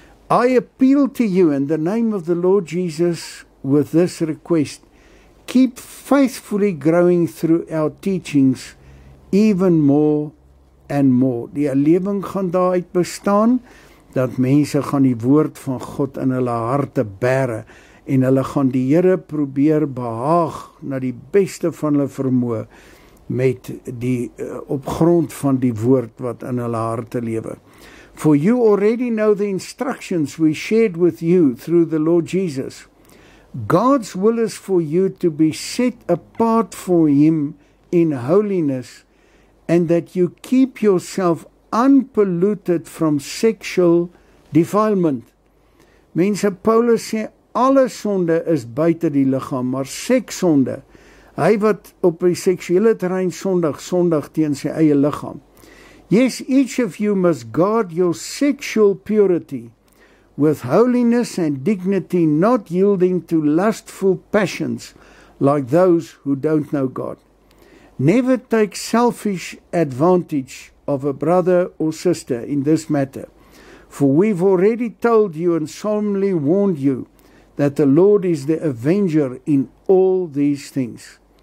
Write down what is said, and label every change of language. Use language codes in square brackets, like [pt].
[en] I appeal to you in the name of the Lord Jesus with this request. Keep faithfully growing through our teachings even more and more. [af] Die erlewing gaan daaruit bestaan, dat mense gaan die woord van God in hulle harte bære, en hulle gaan die Here probeer behaag na die beste van hulle vermoë met die op grond van die woord wat in hulle harte lewe. [en] For you already know the instructions we shared with you through the Lord Jesus. God's will is for you to be set apart for Him in holiness and that you keep yourself unpolluted from sexual defilement. [af] Mense, Paulus sê, alle sonde is buite die liggaam, maar sekssonde, hy wat op die seksuele terrein sondig teen sy eie liggaam. [en] Yes, each of you must guard your sexual purity with holiness and dignity, not yielding to lustful passions like those who don't know God. Never take selfish advantage of a brother or sister in this matter, for we've already told you and solemnly warned you that the Lord is the avenger in all these things.